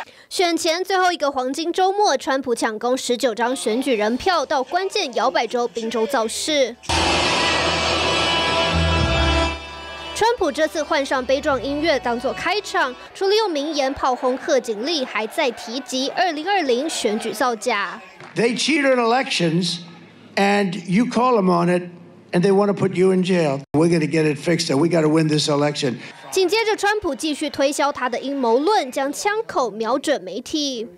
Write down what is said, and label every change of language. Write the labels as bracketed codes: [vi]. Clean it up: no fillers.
[zh] 选前最后一个黄金周末，川普抢攻19张选举人票，到关键摇摆州宾州造势。川普这次换上悲壮音乐当作开场，除了用名言炮轰贺锦丽，还在提及2020选举造假。 [en] They cheated in elections, and you call them on it, and they want to put you in jail. We're going to get it fixed, and we got to win this election. [zh] 紧接着，川普继续推销他的阴谋论，将枪口瞄准媒体。